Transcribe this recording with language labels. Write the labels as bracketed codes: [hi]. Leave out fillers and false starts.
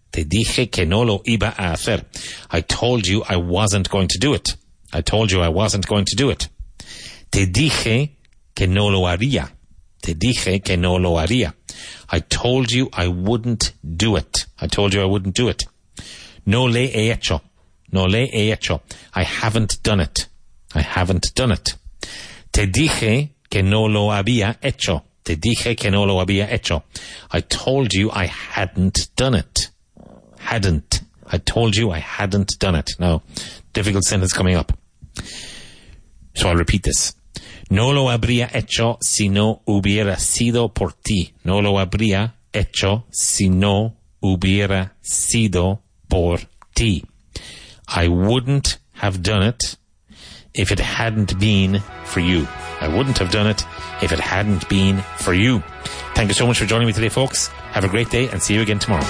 [es] Te dije que no lo iba a hacer. [en] I told you I wasn't going to do it. I told you I wasn't going to do it. [es] Te dije que no lo haría. Te dije que no lo haría. [en] I told you I wouldn't do it. I told you I wouldn't do it. [es] No le he hecho. No le he hecho. [en] I haven't done it. I haven't done it. [es] Te dije que no lo había hecho. Te dije que no lo había hecho. [en] I told you I hadn't done it. Hadn't. I told you I hadn't done it. Now, difficult sentence coming up. So I'll repeat this. [es] No lo habría hecho si no hubiera sido por ti. No lo habría hecho si no hubiera sido por ti. [en] I wouldn't have done it if it hadn't been for you. I wouldn't have done it if it hadn't been for you. Thank you so much for joining me today, folks. Have a great day and see you again tomorrow.